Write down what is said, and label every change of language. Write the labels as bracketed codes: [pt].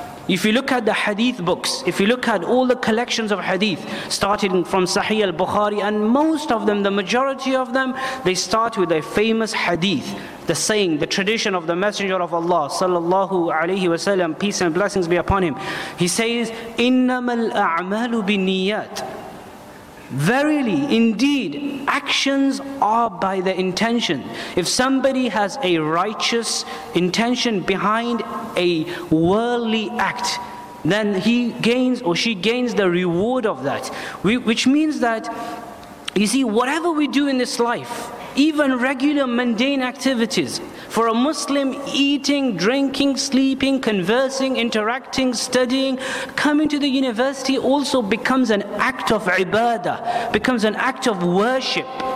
[en] If you look at the hadith books, if you look at all the collections of hadith, starting from Sahih al-Bukhari, and most of them, the majority of them, they start with a famous hadith. The saying, the tradition of the Messenger of Allah, sallallahu alayhi wa sallam, peace and blessings be upon him. He says, [ar] إِنَّمَا الْأَعْمَالُ بِالنِّيَّاتِ. [en] Verily, indeed, actions are by the intention. If somebody has a righteous intention behind a worldly act, then he gains or she gains the reward of that. Which means that, you see, whatever we do in this life, even regular mundane activities, for a Muslim, eating, drinking, sleeping, conversing, interacting, studying, coming to the university also becomes an act of ibadah, becomes an act of worship.